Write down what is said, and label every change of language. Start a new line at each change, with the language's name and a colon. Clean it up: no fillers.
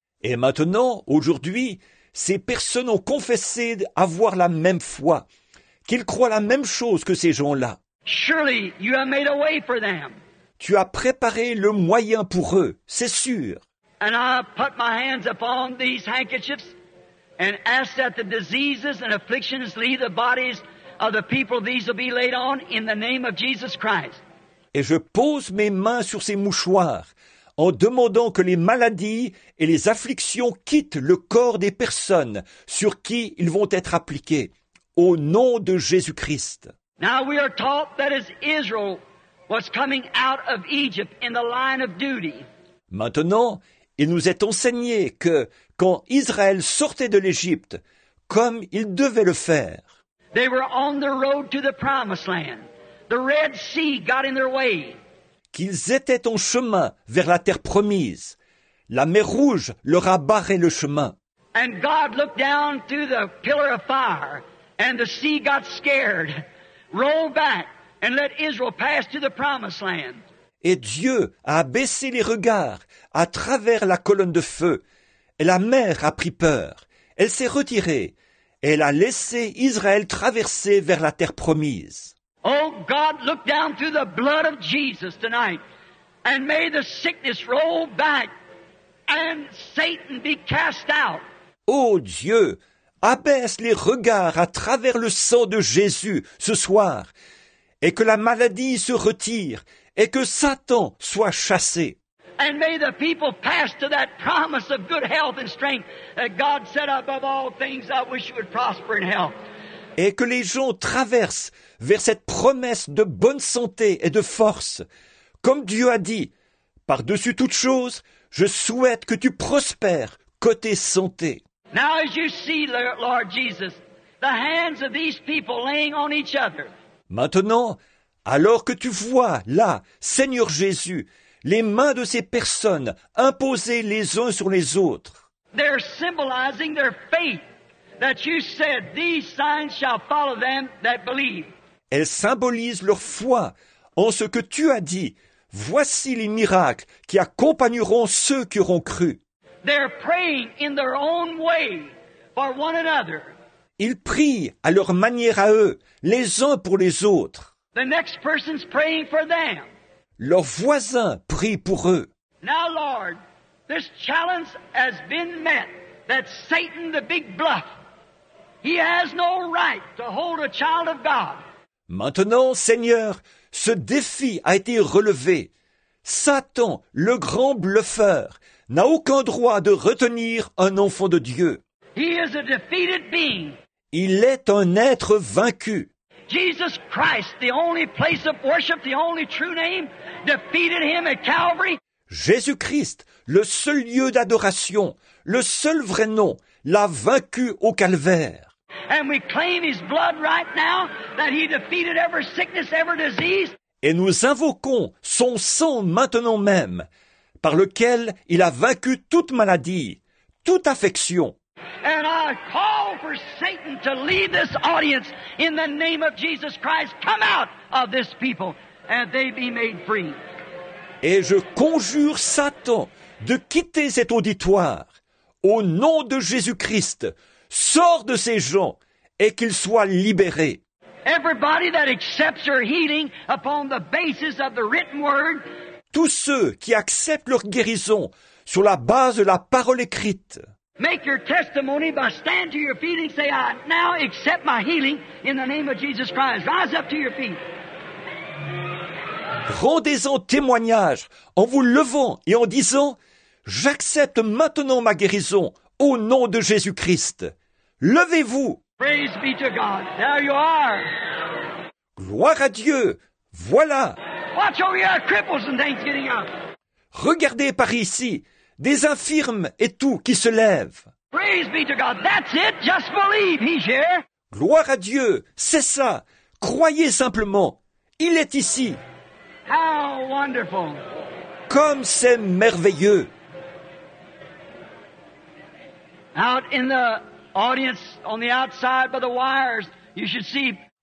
French: Et maintenant, aujourd'hui, ces personnes ont confessé avoir la même foi, qu'ils croient la même chose que ces gens-là.
English: Surely you have made a way for them.
French: Tu as préparé le moyen pour eux, c'est sûr.
English: And I put my hands upon these handkerchiefs and ask that the diseases and afflictions leave the bodies of the people these will be laid on in the name of Jesus Christ.
French: Et je pose mes mains sur ces mouchoirs en demandant que les maladies et les afflictions quittent le corps des personnes sur qui ils vont être appliqués au nom de Jésus-Christ.
English: Now we are taught that as Israel was coming out of Egypt in the line of duty.
French: Maintenant, il nous est enseigné que quand Israël sortait de l'Égypte, comme il devait le faire.
English: They were on the road to the promised land. The Red Sea got in their way.
French: Qu'ils étaient en chemin vers la terre promise. La mer Rouge leur a barré le chemin.
English: And God looked down through the pillar of fire and the sea got scared. Roll back and let Israel pass to the promised land.
French: Et Dieu a baissé les regards à travers la colonne de feu. Et la mer a pris peur. Elle s'est retirée. Elle a laissé Israël traverser vers la terre promise.
English: Oh God, look down through the blood of Jesus tonight and may the sickness roll back and Satan be cast out.
French: Oh Dieu, abaisse les regards à travers le sang de Jésus ce soir et que la maladie se retire et que Satan soit chassé.
English: And may the people pass to that promise of good health and strength that God said above all things, I wish you would prosper in health.
French: Et que les gens traversent vers cette promesse de bonne santé et de force. Comme Dieu a dit, par-dessus toute chose, je souhaite que tu prospères côté santé.
English: Now as you see, Lord Jesus, the hands of these people laying on each other.
French: Maintenant, alors que tu vois là, Seigneur Jésus, les mains de ces personnes imposées les uns sur les autres.
English: They're symbolizing their faith. that you said, these signs shall follow them that believe.
French: Elles symbolisent leur foi en ce que tu as dit. Voici les miracles qui accompagneront ceux qui auront cru.
English: They're praying in their own way for one another.
French: Ils prient à leur manière à eux, les uns pour les autres.
English: The next person's praying for them.
French: Leur voisin prie pour eux.
English: Now, Lord, this challenge has been met that Satan, the big bluff, he has no right to hold a child of God.
French: Maintenant, Seigneur, ce défi a été relevé. Satan, le grand bluffeur, n'a aucun droit de retenir un enfant de Dieu.
English: He is a defeated being.
French: Il est un être vaincu.
English: Jesus Christ, the only place of worship, the only true name, defeated him at Calvary.
French: Jésus-Christ, le seul lieu d'adoration, le seul vrai nom, l'a vaincu au calvaire.
English: And we claim his blood right now, that he defeated every sickness, every disease.
French: Et nous invoquons son sang maintenant même, par lequel il a vaincu toute maladie, toute affection.
English: And I call for Satan to leave this audience in the name of Jesus Christ. Come out of this people and they be made free.
French: Et je conjure Satan de quitter cet auditoire. Au nom de Jésus-Christ, sors de ces gens et qu'ils soient libérés.
English: Everybody that accepts your healing upon the basis of the written word.
French: Tous ceux qui acceptent leur guérison sur la base de la parole écrite.
English: Make your testimony by standing to your feet and say, I now accept my healing in the name of Jesus Christ. Rise up to your feet.
French: Rendez-en témoignage en vous levant et en disant, j'accepte maintenant ma guérison au nom de Jésus Christ. Levez-vous.
English: Praise be to God. There you are.
French: Gloire à Dieu. Voilà.
English: Watch over your cripples and things getting up.
French: Regardez par ici. Des infirmes et tout qui se lèvent.
English: Praise be to God. That's it. Just believe. He's here.
French: Gloire à Dieu. C'est ça. Croyez simplement. Il est ici.
English: How wonderful.
French: Comme c'est merveilleux.
English: Out in the audience, on the outside by the wires, you should see.